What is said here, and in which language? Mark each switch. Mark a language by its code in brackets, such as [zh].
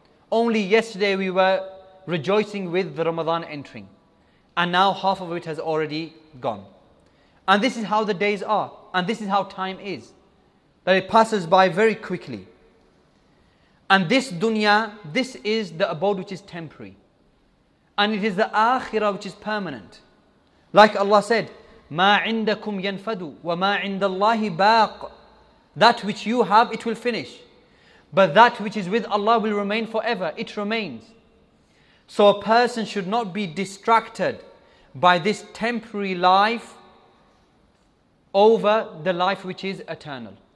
[en] Only yesterday we were rejoicing with the Ramadan entering, and now half of it has already gone. And this is how the days are, and this is how time is, that it passes by very quickly. And this dunya, this is the abode which is temporary. And it is the akhirah which is permanent. Like Allah said, [ar] مَا عِنْدَكُمْ يَنْفَدُ وَمَا عِنْدَ اللَّهِ بَاقٍ. [en] That which you have, it will finish. But that which is with Allah will remain forever. It remains. So a person should not be distracted by this temporary life over the life which is eternal.